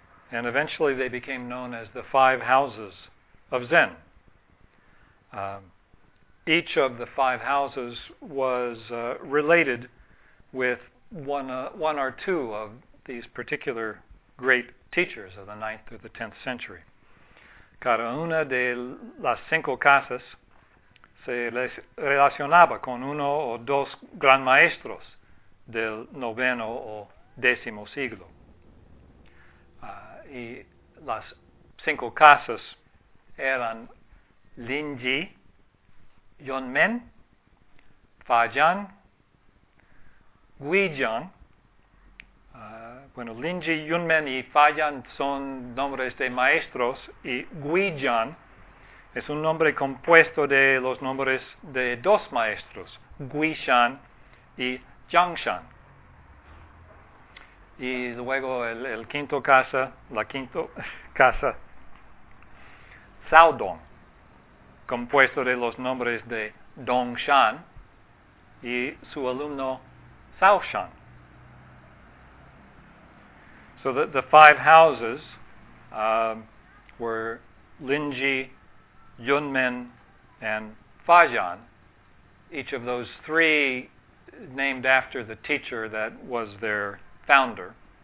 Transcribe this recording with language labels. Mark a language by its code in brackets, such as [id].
[en] And eventually they became known as the five houses of Zen. Each of the five houses was related with one or two of these particular great teachers of the 9th or the 10th century. [es] Cada una de las cinco casas se relacionaba con uno o dos gran maestros del noveno o décimo siglo. Y las cinco casas eran Linji, Yunmen, Fajian, Guijian. Bueno, Linji, Yunmen y Fajian son nombres de maestros, y Guijian es un nombre compuesto de los nombres de dos maestros, Guishan y Jiangshan. Y luego el quinto casa, la quinto casa, Zaodong, compuesto de los nombres de Dongshan y su alumno Zaoshan. [en] So the five houses were Linji, Yunmen, and Fajian, each of those three named after the teacher that was their founder.